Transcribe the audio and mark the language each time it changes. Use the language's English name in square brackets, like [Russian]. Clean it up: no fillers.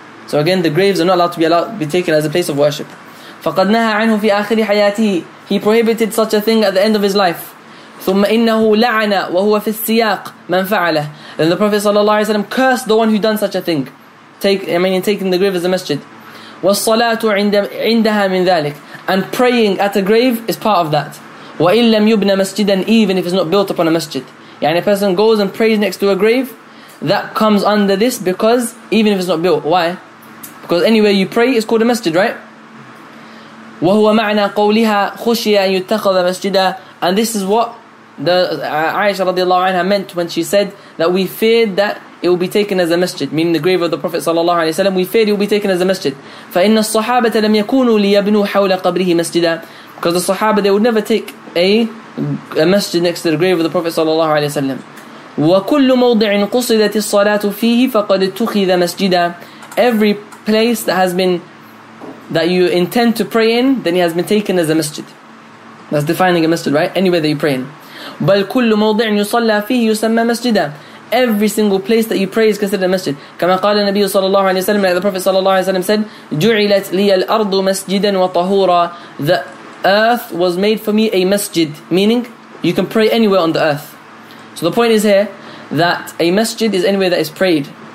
[English] So again, the graves are not allowed to be taken as a place of worship. [Arabic] فقد نهى عنه في آخر حياته. [English] He prohibited such a thing at the end of his life. [Arabic] ثم إنه لعن وهو في السياق من فعله. [English] Then the Prophet صلى الله عليه وسلم cursed the one who done such a thing, taking the grave as a masjid. [Arabic] والصلاة عندها من ذلك. [English] And praying at a grave is part of that. [Arabic] وإن لم يبنى مسجدا, [English] even if it's not built upon a masjid. يعني a person goes and prays next to a grave, that comes under this, because even if it's not built. Why? Because anywhere you pray is called a masjid, right? [Arabic] وهو معنى قولها خشية أن يتخذ مسجدا. [English] And this is what the Aisha رضي الله عنها meant when she said that we feared that it will be taken as a masjid, meaning the grave of the Prophet صلى الله عليه وسلم. We feared it will be taken as a masjid. [Arabic] فإن الصحابة لم يكونوا ليبنوا حول قبره مسجدا. [English] Because the Sahaba, they would never take a masjid next to the grave of the Prophet صلى الله عليه وسلم. [Arabic] وكل موضع قصدت الصلاة فيه فقد اتخذ مسجدا. [English] Every place that you intend to pray in, then it has been taken as a masjid. That's defining a masjid, right? Anywhere that you pray in. [Arabic] بل كل موضع يصلى فيه يسمى مسجدا. [English] Every single place that you pray is considered a masjid. [Arabic] كما قال النبي صلى الله عليه وسلم, [English] like the Prophet [Arabic] صلى الله عليه وسلم said, جعلت لي الأرض مسجدا وطهورا. [English] The earth was made for me a masjid, meaning you can pray anywhere on the earth. So the point is here that a masjid is anywhere that is prayed.